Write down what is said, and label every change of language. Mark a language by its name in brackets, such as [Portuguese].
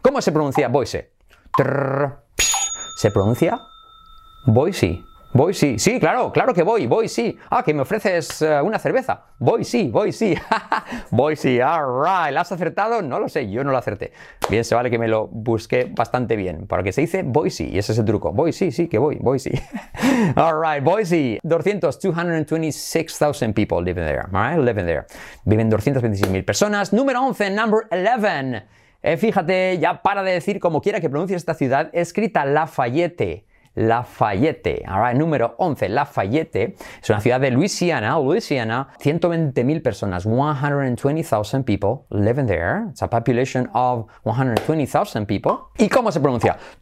[Spanish] ¿Cómo se pronuncia Boise? Se pronuncia Boise. Boise, sí, claro, claro que voy, Boise. Ah, que me ofreces una cerveza. Boise, Boise. Boise, [English] all right. [Spanish] ¿La has acertado? No lo sé, yo no lo acerté. Bien, se vale que me lo busqué bastante bien. Porque se dice Boise, y ese es el truco. Boise, sí, que voy, Boise. [English] All right, [Spanish] Boise. [English] 226,000 people living there, all right? Living there. [Spanish] Viven 226,000 personas. Número 11, [English] number 11. [Spanish] Fíjate, ya para de decir como quiera que pronuncie esta ciudad, escrita Lafayette. Lafayette, [English] all right, [Spanish] número 11, Lafayette, es una ciudad de Luisiana, 120,000 personas, [English] 120,000 people living there, it's a population of 120,000 people. [Spanish] ¿Y cómo se pronuncia?